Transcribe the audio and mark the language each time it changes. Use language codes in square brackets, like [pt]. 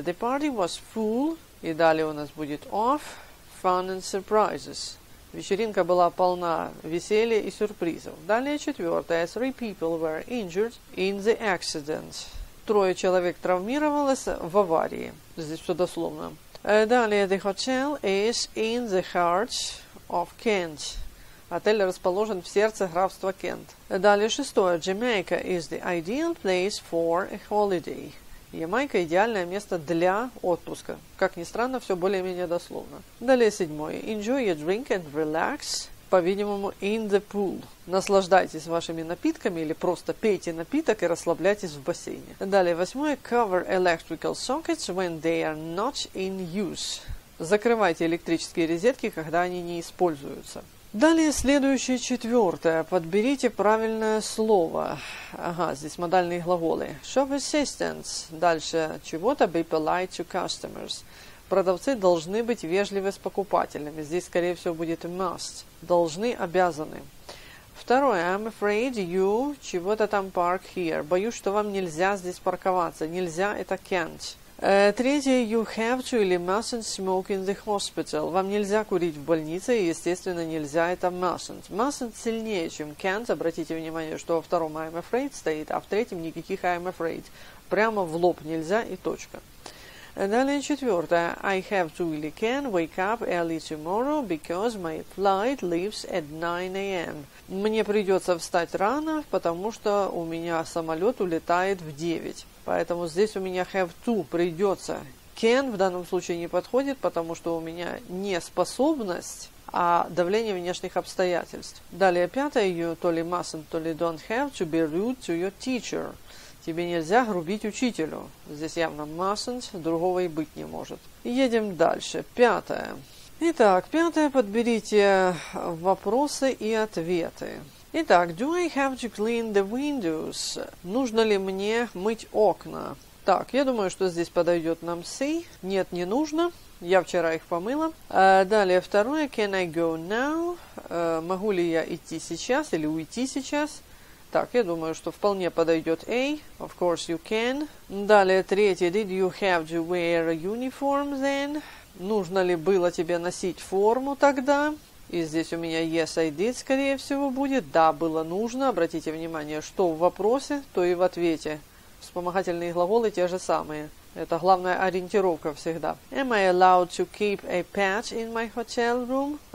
[en] The party was full. [ru] И далее у нас будет [en] off, fun and surprises. [ru] Вечеринка была полна веселья и сюрпризов. Далее четвертое. [en] Three people were injured in the accident. [ru] Трое человек травмировалось в аварии. Здесь все дословно. Далее. [en] The hotel is in the heart of Kent. [ru] Отель расположен в сердце графства Кент. Далее шестое. [en] Jamaica is the ideal place for a holiday. [ru] Ямайка – идеальное место для отпуска. Как ни странно, все более-менее дословно. Далее седьмое. [en] Enjoy a drink and relax. [ru] По-видимому, [en] in the pool. [ru] Наслаждайтесь вашими напитками или просто пейте напиток и расслабляйтесь в бассейне. Далее восьмое. [en] Cover electrical sockets when they are not in use. [ru] Закрывайте электрические розетки, когда они не используются. Далее следующее, четвертое. Подберите правильное слово. Ага, здесь модальные глаголы. [en] Shop assistants. [ru] Дальше чего-то. [en] Be polite to customers. [ru] Продавцы должны быть вежливы с покупателями. Здесь, скорее всего, будет must. Должны, обязаны. Второе. [en] I'm afraid you [ru] чего-то там [en] park here. [ru] Боюсь, что вам нельзя здесь парковаться. Нельзя, это can't. Третье. [en] You have to [ru] или [en] mustn't smoke in the hospital. [ru] Вам нельзя курить в больнице, и, естественно, нельзя это mustn't. Mustn't сильнее, чем can't. Обратите внимание, что во втором [en] I'm afraid [ru] стоит, а в третьем никаких I'm afraid. Прямо в лоб нельзя и точка. Далее четвертое. [en] I have to [ru] или [en] can wake up early tomorrow because my flight leaves at 9 a.m. [ru] Мне придется встать рано, потому что у меня самолет улетает в 9. Поэтому здесь у меня have to придется. Can в данном случае не подходит, потому что у меня не способность, а давление внешних обстоятельств. Далее пятое. [en] You [ru] то ли [en] mustn't, то ли don't have to be rude to your teacher. [ru] Тебе нельзя грубить учителю. Здесь явно mustn't, другого и быть не может. Едем дальше. Пятое. Итак, пятое. Подберите вопросы и ответы. Итак, [en] do I have to clean the windows? [ru] Нужно ли мне мыть окна? Так, я думаю, что здесь подойдет нам see. Нет, не нужно. Я вчера их помыла. Далее, второе. [en] Can I go now? [ru] Могу ли я идти сейчас или уйти сейчас? Так, я думаю, что вполне подойдет A. [en] Of course you can. [ru] Далее, третье. [en] Did you have to wear a uniform then? [ru] Нужно ли было тебе носить форму тогда? И здесь у меня [en] yes, I did, [ru] скорее всего, будет. Да, было нужно. Обратите внимание, что в вопросе, то и в ответе. Вспомогательные глаголы те же самые. Это главная ориентировка всегда. [en] Am I allowed to keep a pet in my hotel room?